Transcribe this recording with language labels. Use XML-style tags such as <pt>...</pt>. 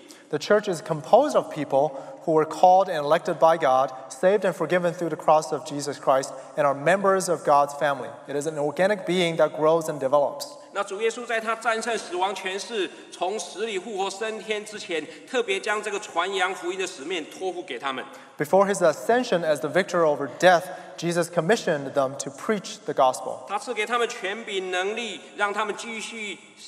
<en>The church is composed of people who were called and elected by God, saved and forgiven through the cross of Jesus Christ, and are members of God's family. It is an organic being that grows and develops.</en> <zh>那主耶稣在他战胜死亡权势，从死里复活升天之前，特别将这个传扬福音的使命托付给他们。</zh> <en>Before his ascension as the victor over death, Jesus commissioned them to preach the gospel.</en> <zh>他赐给他们权柄能力，让他们继续。</zh>